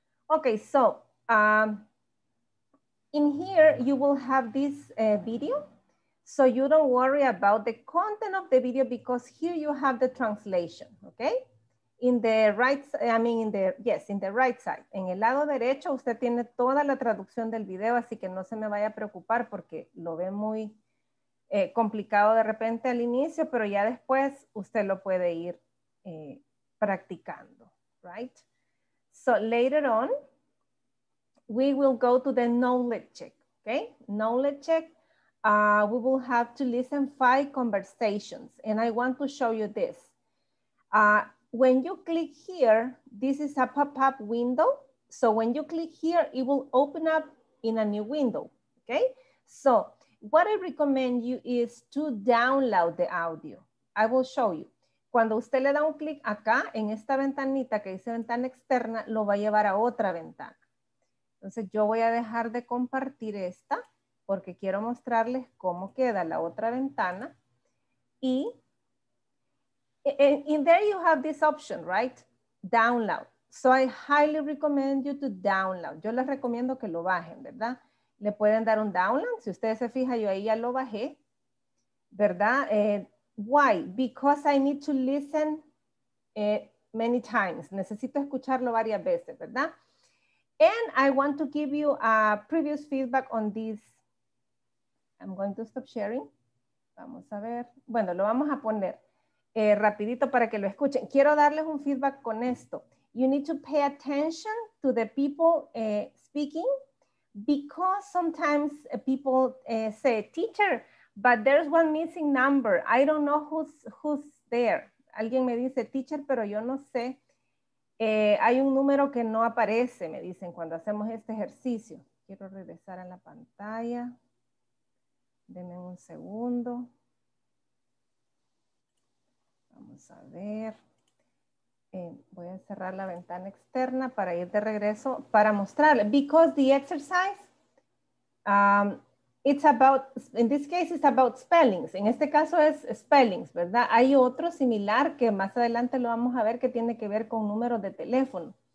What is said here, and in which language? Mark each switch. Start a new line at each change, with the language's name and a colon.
English: Okay, so in here you will have this video. So you don't worry about the content of the video, because here you have the translation, okay? In the right side.
Spanish: En el lado derecho usted tiene toda la traducción del video, así que no se me vaya a preocupar porque lo ve muy complicado de repente al inicio, pero ya después usted lo puede ir practicando,
English: right? So later on, we will go to the knowledge check, okay? Knowledge check, we will have to listen 5 conversations, and I want to show you this. When you click here, this is a pop-up window. So when you click here, it will open up in a new window, okay? So what I recommend you is to download the audio. I will show you.
Spanish: Cuando usted le da un clic acá, en esta ventanita que dice ventana externa, lo va a llevar a otra ventana. Entonces yo voy a dejar de compartir esta porque quiero mostrarles cómo queda la otra ventana. Y
English: in there you have this option, right? Download. So I highly recommend you to download.
Spanish: Yo les recomiendo que lo bajen, ¿verdad? Le pueden dar un download. Si ustedes se fijan, yo ahí ya lo bajé, ¿verdad?
English: Why? Because I need to listen many times.
Spanish: Necesito escucharlo varias veces, ¿verdad?
English: And I want to give you a previous feedback on this. I'm going to stop sharing.
Spanish: Vamos a ver. Bueno, lo vamos a poner rapidito para que lo escuchen. Quiero darles un feedback con esto.
English: You need to pay attention to the people speaking. Because sometimes people say, teacher, but there's one missing number. I don't know who's there.
Spanish: Alguien me dice, teacher, pero yo no sé. Hay un número que no aparece, me dicen, cuando hacemos este ejercicio. Quiero regresar a la pantalla. Denme un segundo. Vamos a ver. Voy a cerrar la ventana externa para ir de regreso para mostrarle.
English: Because the exercise, it's about, in this case, it's about spellings.
Spanish: En este caso es spellings, ¿verdad? Hay otro similar que más adelante lo vamos a ver que tiene que ver con números de teléfono.